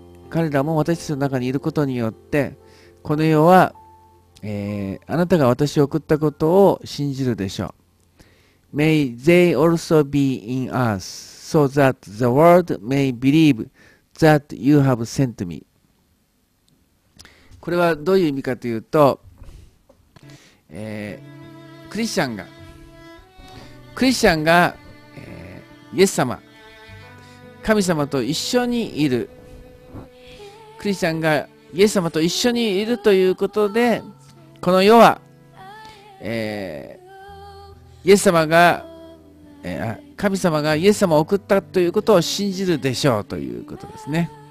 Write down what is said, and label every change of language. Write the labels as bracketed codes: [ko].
[ja] 彼らも私たちの中にいることによってこの世は、あなたが私を送ったことを信じるでしょう。 [en] May they also be in us so that the world may believe that you have sent me. [ja] これはどういう意味かというと、クリスチャンが、イエス様、神様と一緒にいる、クリスチャンがイエス様と一緒にいるということで、この世は、イエス様が、神様がイエス様を送ったということを信じるでしょうということですね。